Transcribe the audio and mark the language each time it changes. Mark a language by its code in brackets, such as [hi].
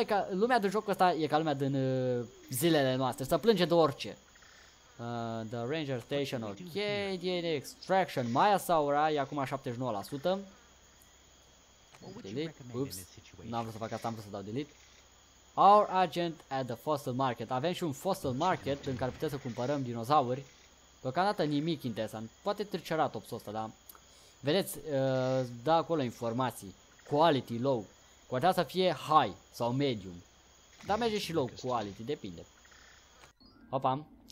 [ro] Lumea din jocul ăsta e ca lumea din zilele noastre, să plânge de orice. [en] The Ranger Station, ok, DNA Extraction, Maya Saura e acum 79%. [ro] Delete, ups, n-am vrut să fac asta, am vrut să dau delete. [en] Our agent at the fossil market. [ro] Avem și un fossil market în care putem să cumpărăm dinozauri. Deocamdată nimic interesant, poate triceratopsul ăsta, dar vedeți, da acolo informații. Quality low, poate să fie high sau medium. Dar merge și low quality, depinde. Opa.